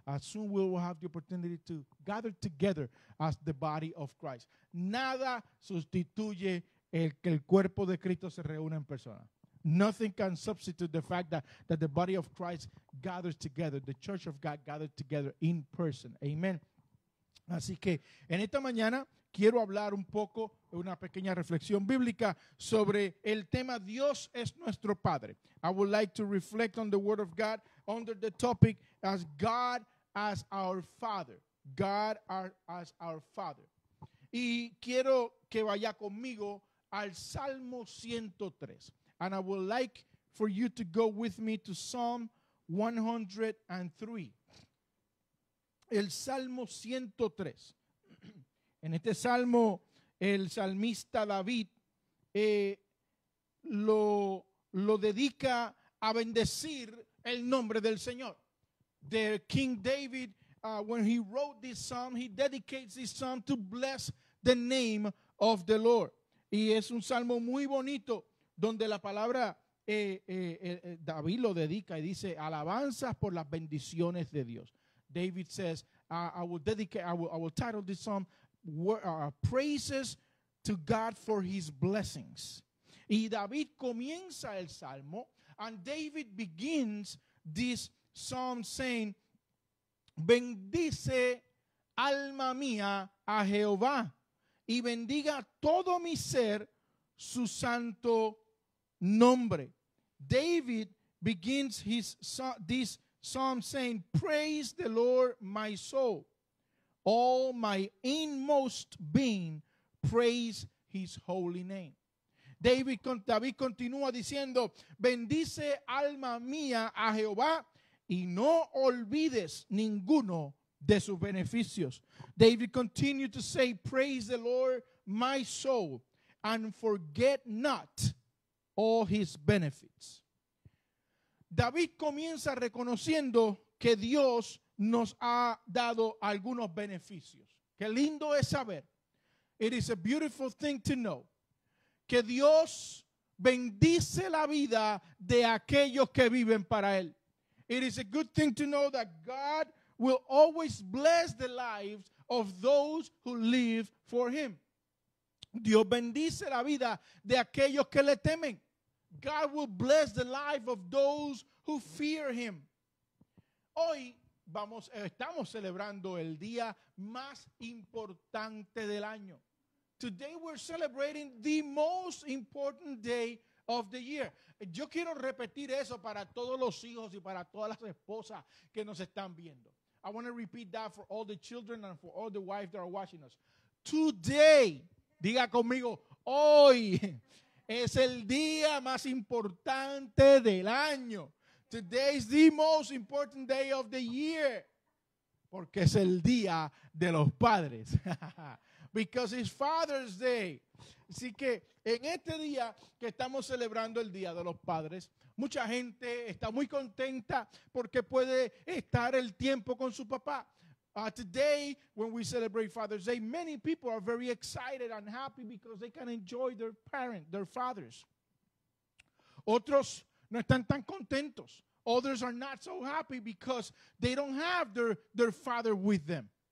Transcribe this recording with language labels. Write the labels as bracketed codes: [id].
[en] Soon we will have the opportunity to gather together as the body of Christ. [es] Nada sustituye el que el cuerpo de Cristo se reúna en persona. [en] Nothing can substitute the fact that the body of Christ gathers together, the church of God gathered together in person. Amen. [es] Así que en esta mañana quiero hablar un poco, una pequeña reflexión bíblica sobre el tema Dios es nuestro Padre. [en] I would like to reflect on the Word of God under the topic as God as our Father. God as our Father. [es] Y quiero que vaya conmigo al Salmo 103. [en] And I would like for you to go with me to Psalm 103. [es] El Salmo 103. En este salmo, el salmista David lo dedica a bendecir el nombre del Señor. [en] The King David, when he wrote this psalm, he dedicates this psalm to bless the name of the Lord. [es] Y es un salmo muy bonito donde la palabra David lo dedica y dice, alabanzas por las bendiciones de Dios. [en] David says, I will title this psalm, praises to God for his blessings. [es] Y David comienza el salmo, [en] and David begins this psalm saying, [es] Bendice, alma mía, a Jehová, y bendiga todo mi ser su santo nombre. [en] David begins his this psalm saying, "Praise the Lord, my soul. All my inmost being, praise his holy name." [es] David continúa diciendo, "Bendice, alma mía, a Jehová, y no olvides ninguno de sus beneficios." [en] David continued to say, "Praise the Lord, my soul, and forget not all his benefits." [es] David comienza reconociendo que Dios nos ha dado algunos beneficios. Qué lindo es saber. [en] It is a beautiful thing to know. [es] Que Dios bendice la vida de aquellos que viven para Él. [en] It is a good thing to know that God will always bless the lives of those who live for Him. [es] Dios bendice la vida de aquellos que le temen. [en] God will bless the life of those who fear Him. [es] Hoy estamos celebrando el día más importante del año. [en] Today we're celebrating the most important day of the year. [es] Yo quiero repetir eso para todos los hijos y para todas las esposas que nos están viendo. [en] I want to repeat that for all the children and for all the wives that are watching us. [es] Today, diga conmigo, hoy es el día más importante del año. [en] Today is the most important day of the year. [es] Porque es el día de los padres. [en] Because it's Father's Day. [es] Así que en este día que estamos celebrando el Día de los Padres, mucha gente está muy contenta porque puede estar el tiempo con su papá. [en] Today, when we celebrate Father's Day, many people are very excited and happy because they can enjoy their parents, their fathers. [es] Otros no están tan contentos. [en] Others are not so happy because they don't have their father with them.